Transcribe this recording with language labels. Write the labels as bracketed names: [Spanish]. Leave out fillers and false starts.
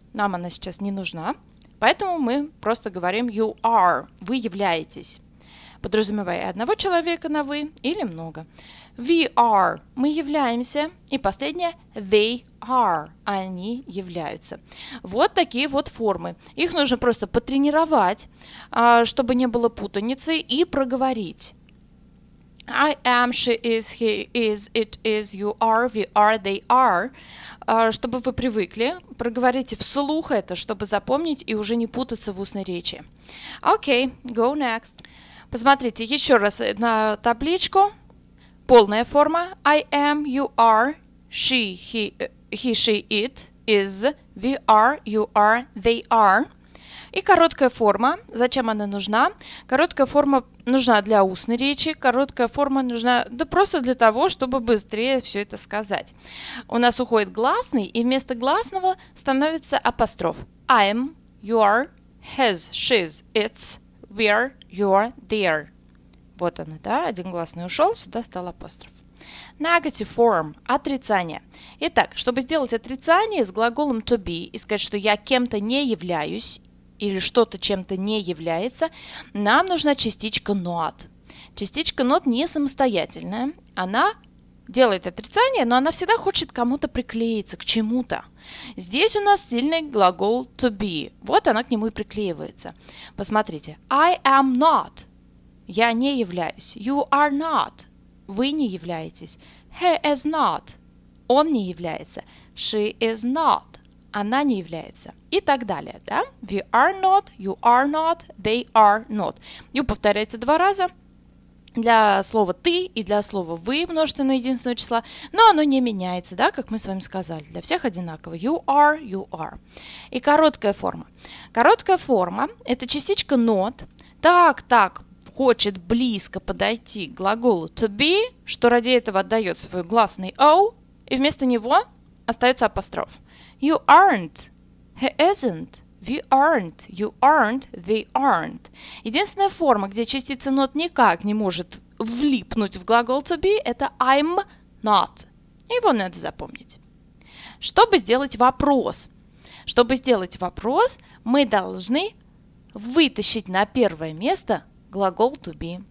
[Russian] Нам она сейчас не нужна. Поэтому мы просто говорим [English] you are, [Russian] вы являетесь, подразумевая одного человека на вы или много. [English] We are. [Russian] Мы являемся. И последнее. [English] They are. [Russian] Они являются. Вот такие вот формы. Их нужно просто потренировать, чтобы не было путаницы, и проговорить. [English] I am, she is, he is, it is, you are, we are, they are. [Russian] Чтобы вы привыкли, проговорите вслух это, чтобы запомнить и уже не путаться в устной речи. [English] Окей, go next. [Russian] Посмотрите еще раз на табличку. Полная форма. [English] I am, you are, she, he, she, it, is, we are, you are, they are. [Russian] И короткая форма. Зачем она нужна? Короткая форма нужна для устной речи. Короткая форма нужна, да, просто для того, чтобы быстрее все это сказать. У нас уходит гласный, и вместо гласного становится апостроф. [English] I'm, you are, has, she's, it's, we're, you're, there. [Russian] Вот она, да, один гласный ушел, сюда стал апостроф. [English] Negative form – [Russian] отрицание. Итак, чтобы сделать отрицание с глаголом to be и сказать, что я кем-то не являюсь, или что-то чем-то не является, нам нужна частичка not. Частичка not не самостоятельная. Она делает отрицание, но она всегда хочет кому-то приклеиться, к чему-то. Здесь у нас сильный глагол to be. Вот она к нему и приклеивается. Посмотрите. [English] I am not. [Russian] Я не являюсь. [English] You are not. [Russian] Вы не являетесь. [English] He is not. [Russian] Он не является. [English] She is not. [Russian] Она не является. И так далее, да? [English] We are not, you are not, they are not. [Russian] И повторяется два раза для слова «ты» и для слова «вы» множественное единственное число. Но оно не меняется, да, как мы с вами сказали. Для всех одинаково. [English] You are, you are. [Russian] И короткая форма. Короткая форма – это частичка not. Так-так хочет близко подойти к глаголу to be, что ради этого отдает свой гласный o, и вместо него остается апостроф. [English] You aren't, he isn't, we aren't, you aren't, they aren't. [Russian] Единственная форма, где частица not никак не может влипнуть в глагол to be, это [English] I'm not. [Russian] Его надо запомнить. Чтобы сделать вопрос, мы должны вытащить на первое место глагол to be.